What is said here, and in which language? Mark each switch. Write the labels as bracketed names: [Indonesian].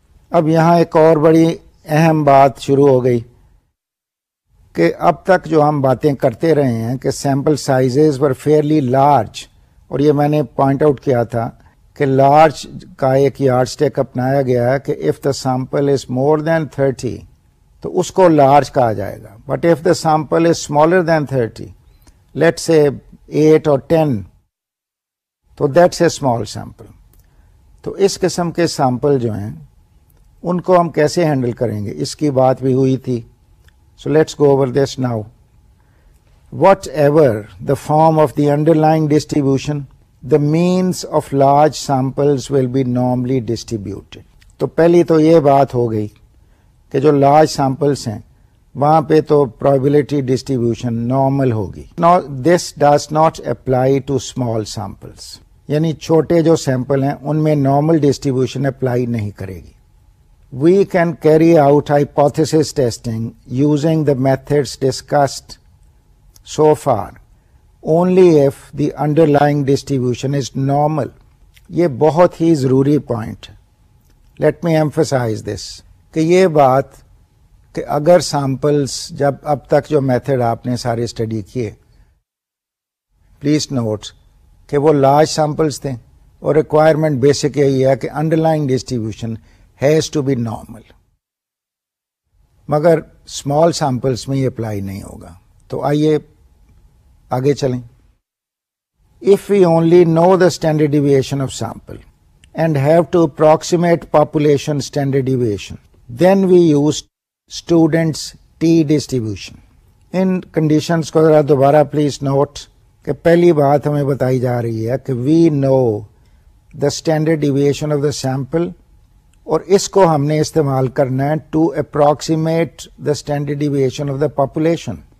[Urdu] اب یہاں ایک اور بڑی اہم بات شروع ہو گئی کہ اب تک جو ہم باتیں کرتے رہے ہیں کہ [English] sample sizes were fairly large, [Urdu] اور یہ میں نے پوائنٹ آؤٹ کیا تھا کہ لارج کا ایک یارڈ اسٹک اپنایا گیا ہے کہ [English] if the sample is more than 30 [Urdu] تو اس کو لارج کہا جائے گا، [English] but if the sample is smaller than 30، [Urdu] late سے 8 اور 10، تو [English] That's a small sample. [Urdu] تو اس قسم کے سیمپل جو ہیں ان کو ہم کیسے ہینڈل کریں گے، اس کی بات بھی ہوئی تھی. [English] So let's go over this now. Whatever the form of the underlying distribution, the means of large samples will be normally distributed. [Urdu] تو پہلی تو یہ بات ہو گئی کہ جو لارج سیمپلس ہیں وہاں پہ تو پرابیبلٹی ڈسٹریبیوشن نارمل ہوگی. [English] Now this does not apply to small samples. [Urdu] یعنی چھوٹے جو سیمپل ہیں ان میں نارمل ڈسٹریبیوشن اپلائی نہیں کرے گی. [English] We can carry out hypothesis testing using the methods discussed so far only if the underlying distribution is normal. [Urdu] یہ بہت ہی ضروری point. [English] Let me emphasize this. [Urdu] کہ یہ بات کہ اگر samples جب اب تک جو method آپ نے سارے اسٹڈی کیے، پلیز نوٹ کہ وہ لارج samples تھے اور ریکوائرمنٹ بیسک یہی ہے کہ [English] underlying distribution has to be normal. [Urdu] مگر small samples میں یہ اپلائی نہیں ہوگا. تو آئیے آگے چلیں. [English] If we only know the standard deviation of sample and have to approximate population standard deviation, then we use students t distribution. [Urdu] In conditions کو ذرا دوبارہ پلیز نوٹ کہ پہلی بات ہمیں بتائی جا رہی ہے کہ [English] we know the standard deviation of the sample [Urdu] اور اس کو ہم نے استعمال کرنا ہے [English] To approximate the standard deviation of the population.